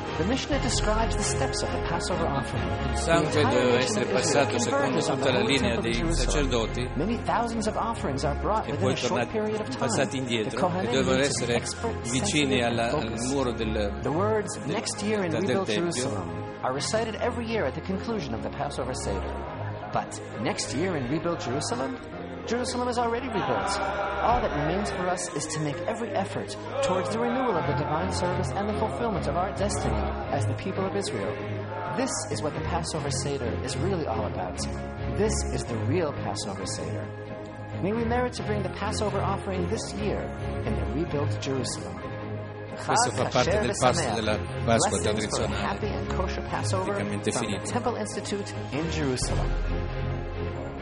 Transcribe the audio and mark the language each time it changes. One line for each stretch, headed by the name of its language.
Italian: Il sangue doveva essere passato secondo tutta la linea dei sacerdoti e poi passati indietro, e dovevano essere vicini al muro del Tempio.
English: Are recited every year at the conclusion of the Passover Seder. But next year in rebuilt Jerusalem? Jerusalem is already rebuilt. All that remains for us is to make every effort towards the renewal of the divine service and the fulfillment of our destiny as the people of Israel. This is what the Passover Seder is really all about. This is the real Passover Seder. May we merit to bring the Passover offering this year in the rebuilt Jerusalem.
Italian: Questo fa parte del pasto della Pasqua tradizionale, praticamente finito.
English: Temple Institute in Jerusalem.